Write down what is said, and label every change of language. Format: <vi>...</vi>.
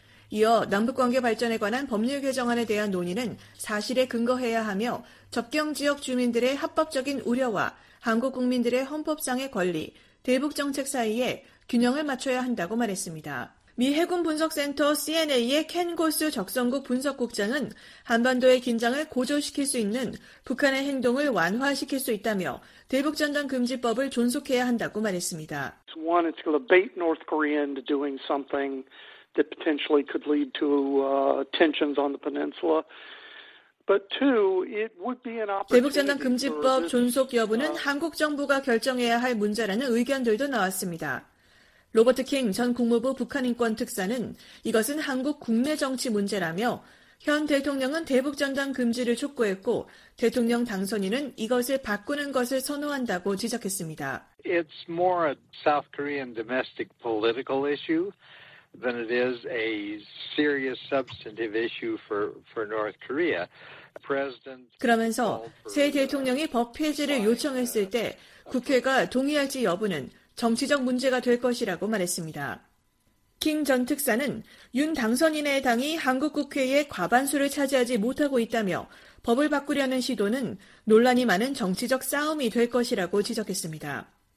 <ko>이어 남북관계 발전에 관한 법률 개정안에 대한 논의는 사실에 근거해야 하며 접경지역 주민들의 합법적인 우려와 한국 국민들의 헌법상의 권리, 대북정책 사이에 균형을 맞춰야 한다고 말했습니다. 미 해군분석센터 CNA의 켄 고스 적성국 분석국장은 한반도의 긴장을 고조시킬 수 있는 북한의 행동을 완화시킬 수 있다며 대북전단 금지법을 존속해야 한다고 말했습니다.</ko> <en>One, it's going to bait North Korea into doing something that potentially could lead to tensions on the peninsula. But two, it would be an opportunity.</en> <ko>대북전단 금지법 존속 여부는 한국 정부가 결정해야 할 문제라는 의견들도 나왔습니다. 로버트 킹 전 국무부 북한인권특사는 이것은 한국 국내 정치 문제라며 현 대통령은 대북전단 금지를 촉구했고 대통령 당선인은 이것을 바꾸는 것을 선호한다고 지적했습니다.</ko> <en>It's more a South Korean domestic political issue than it is a serious substantive issue for North Korea.</en> <ko>그러면서 새 대통령이 법 폐지를 요청했을 때 국회가 동의할지 여부는 정치적 문제가 될 것이라고 말했습니다. 킹 전 특사는 윤 당선인의 당이 한국 국회의 과반수를 차지하지 못하고 있다며 법을 바꾸려는 시도는 논란이 많은 정치적 싸움이 될 것이라고 지적했습니다.</ko>